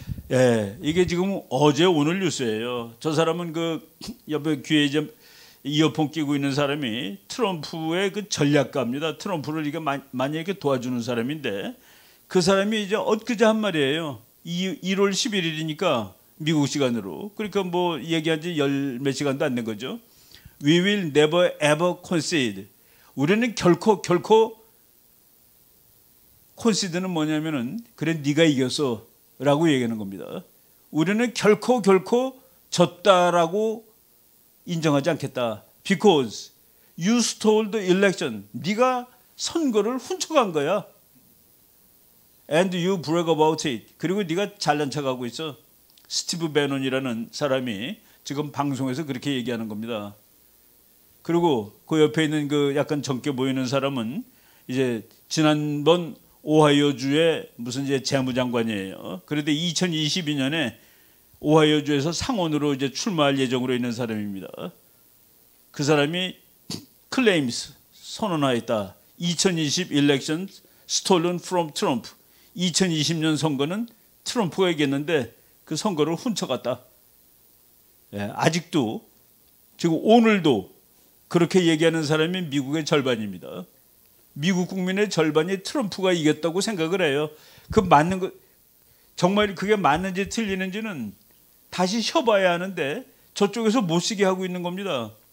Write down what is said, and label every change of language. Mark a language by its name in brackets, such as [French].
[Korean] 예, 이게 지금 어제 오늘 뉴스예요. 저 사람은 그 옆에 귀에 좀 이어폰 끼고 있는 사람이 트럼프의 그 전략가입니다. 트럼프를 이게 많이 이렇게 도와주는 사람인데 그 사람이 이제 엊그제 한 말이에요. 1월 11일이니까 미국 시간으로. 그러니까 뭐 얘기한 지 열몇 시간도 안 된 거죠. [English] We will never ever concede. [Korean] 우리는 결코 concede는 뭐냐면은 그래 네가 이겼어 라고 얘기하는 겁니다. 우리는 결코 졌다라고 인정하지 않겠다. [English] Because you stole the election. [Korean] 네가 선거를 훔쳐간 거야. [English] And you brag about it. [Korean] 그리고 네가 잘난 척하고 있어. 스티브 배넌이라는 사람이 지금 방송에서 그렇게 얘기하는 겁니다. 그리고 그 옆에 있는 그 약간 젊게 보이는 사람은 이제 지난번 오하이오주의 무슨 이제 재무장관이에요. 그런데 2022년에 오하이오주에서 상원으로 이제 출마할 예정으로 있는 사람입니다. 그 사람이 claims 선언하였다. [English] 2020 election stolen from Trump. [Korean] 2020년 선거는 트럼프가 이겼는데 그 선거를 훔쳐갔다. 예, 아직도 지금 오늘도 그렇게 얘기하는 사람이 미국의 절반입니다. 미국 국민의 절반이 트럼프가 이겼다고 생각을 해요. 그 맞는 거 정말 그게 맞는지 틀리는지는 다시 쉬어봐야 하는데 저쪽에서 못 쉬게 하고 있는 겁니다.